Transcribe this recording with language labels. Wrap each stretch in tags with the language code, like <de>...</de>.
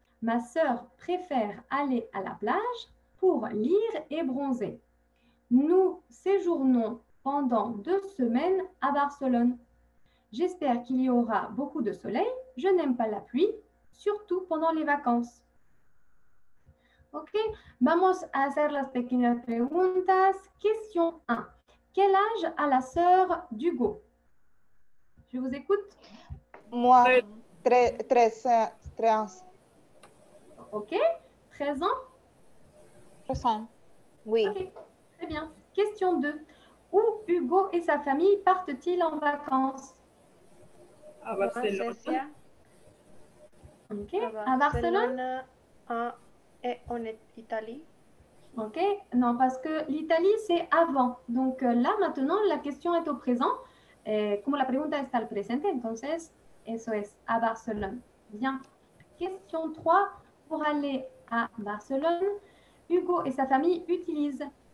<fr>Ma sœur préfère aller à la plage pour lire et bronzer. Nous séjournons pendant 2 semaines à Barcelone. J'espère qu'il y aura beaucoup de soleil. Je n'aime pas la pluie, surtout pendant les vacances.</fr> <es>Ok, vamos a hacer las pequeñas preguntas.</es> <fr>Question 1. Quel âge a la sœur d'Hugo? Je vous écoute. Moi, 13 ans. Ok, 13 ans? 13 ans, oui. Ok, très bien. Question 2. Où Hugo et sa famille partent-ils en vacances? À Barcelone. Ok, à Barcelone. Et en Italie. Ok, non, parce que l'Italie, c'est avant. Donc là, maintenant, la question est au présent.</fr> <es>Comme la pregunta está al presente, entonces, eso es,</es> <fr>à Barcelone. Bien. Question 3. Pour aller à Barcelone, Hugo et sa famille utilisent</fr>